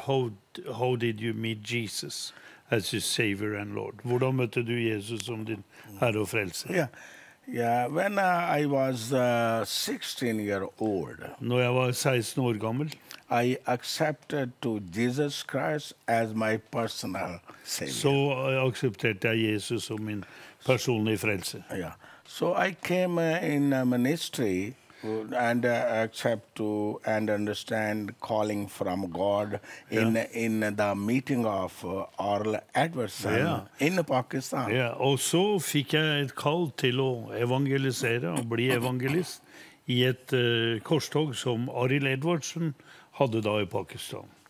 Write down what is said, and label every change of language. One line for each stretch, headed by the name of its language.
English: How did you meet Jesus as your Savior and Lord?
Norwegian: Hvordan møtte du Jesus som din Herre og Frelser?
English: Yeah. When I was 16 years old.
Norwegian: Når jeg var 16 år gammel.
English: I accepted to Jesus Christ as my personal savior. So I accepted Jesus as my personal frelse. Yeah. So I came in a ministry and accept to and understand calling from God in the meeting of Oral Edwardson in Pakistan. Yeah.
Norwegian: Og så fikk jeg et kall til å evangelisere og bli evangelist i et korstog som Oral Edwardson hadde da i Pakistan.